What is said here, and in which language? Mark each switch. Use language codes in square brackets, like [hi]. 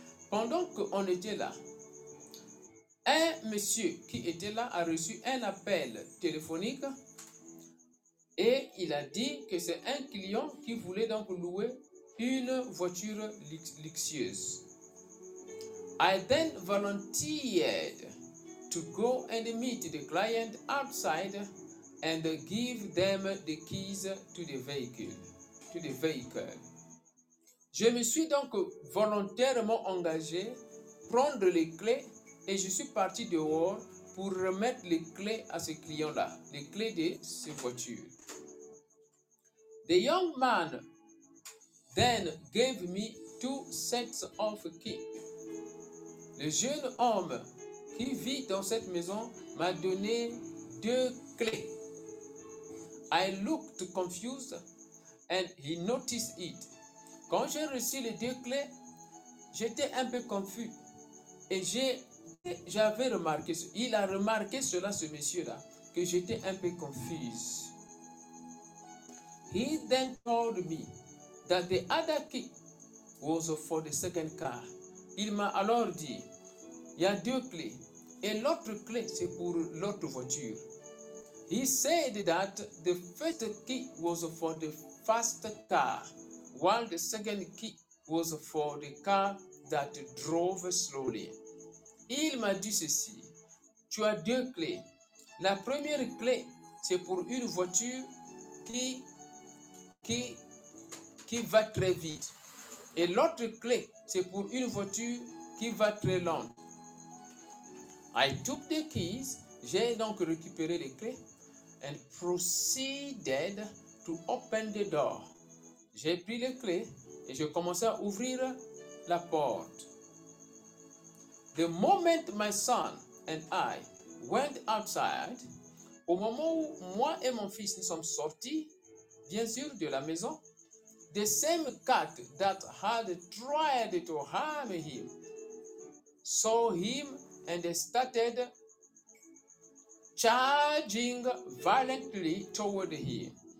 [fr] Pendant qu'on était là, un monsieur qui était là a reçu un appel téléphonique et il a dit que c'est un client qui voulait donc louer une voiture luxueuse. [en] I then volunteered to go and meet the client outside and give them the keys to the vehicle. [fr] Je me suis donc volontairement engagé prendre les clés et je suis parti dehors pour remettre les clés à ce client-là, les clés de ses voitures. [en] The young man then gave me two sets of keys. [fr] Le jeune homme qui vit dans cette maison m'a donné deux clés. [en] I looked confused and he noticed it. [fr] Quand j'ai reçu les deux clés, j'étais un peu confus et j'avais remarqué, il a remarqué cela, ce monsieur-là, que j'étais un peu confuse. [en] He then told me that the other key was for the second car. [fr] Il m'a alors dit, il y a deux clés et l'autre clé, c'est pour l'autre voiture. [en] He said that the first key was for the fast car, while the second key was for the car that drove slowly. [fr] Il m'a dit ceci, tu as deux clés. La première clé, c'est pour une voiture qui va très vite. Et l'autre clé, c'est pour une voiture qui va très lent. [en] I took the keys, [fr] j'ai donc récupéré les clés, [en] and proceeded to open the door. [fr] J'ai pris les clés et j'ai commencé à ouvrir la porte. [en] The moment my son and I went outside, [fr] au moment où moi et mon fils nous sommes sortis, bien sûr, de la maison, [en] the same cat that had tried to harm him saw him and started charging violently toward him.